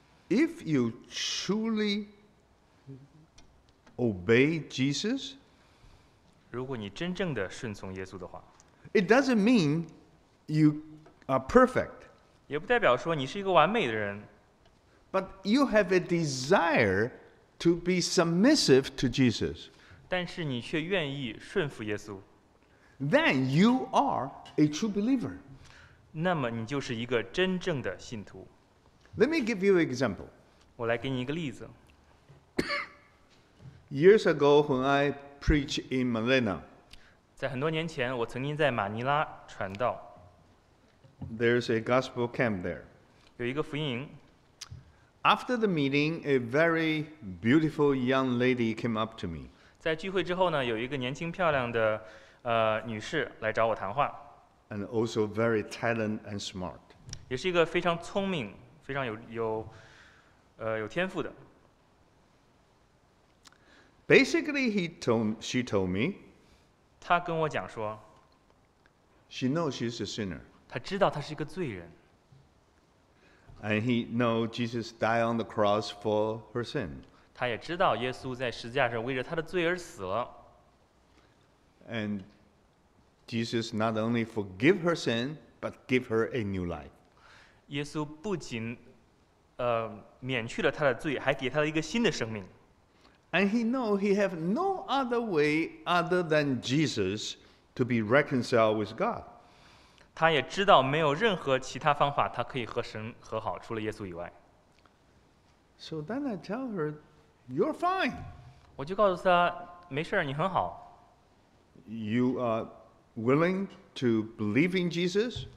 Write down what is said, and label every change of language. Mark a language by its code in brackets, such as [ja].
[en] If you truly obey Jesus, [zh] 如果你真正的顺从耶稣的话, [en] it doesn't mean you are perfect. [zh] 也不代表说你是一个完美的人。 [en] But you have a desire to be submissive to Jesus. [zh] 但是你却愿意顺服耶稣。 [en] Then you are a true believer. [zh] 那么你就是一个真正的信徒。 [en] Let me give you an example. [zh] 我来给你一个例子。 [en] Years ago, when I preached in Manila, [zh] 在很多年前，我曾经在马尼拉传道。 [en] There's a gospel camp there. [zh] 有一个福音营。 [en] After the meeting, a very beautiful young lady came up to me. [zh] 在聚会之后呢，有一个年轻漂亮的女士来找我谈话。 [en] And also very talented and smart. [zh] 也是一个非常聪明。非常有天赋的。 [en] Basically, she told me, [zh] 她跟我讲说 [en] ，She knows she's a sinner. [zh] 她知道她是一个罪人。 [en] And he knows Jesus died on the cross for her sin. [zh] 她也知道耶稣在十字架上为着她的罪而死了。 [en] And Jesus not only forgive her sin, but give her a new life. [zh] 耶稣不仅免去了他的罪，还给他了一个新的生命。 [en] And he knows he has no other way other than Jesus to be reconciled with God. [zh] 他也知道没有任何其他方法他可以和神和好，除了耶稣以外。 [en] So then I tell her, "You're fine." [zh] 我就告诉他，没事，你很好。 [en] You are willing to believe in Jesus?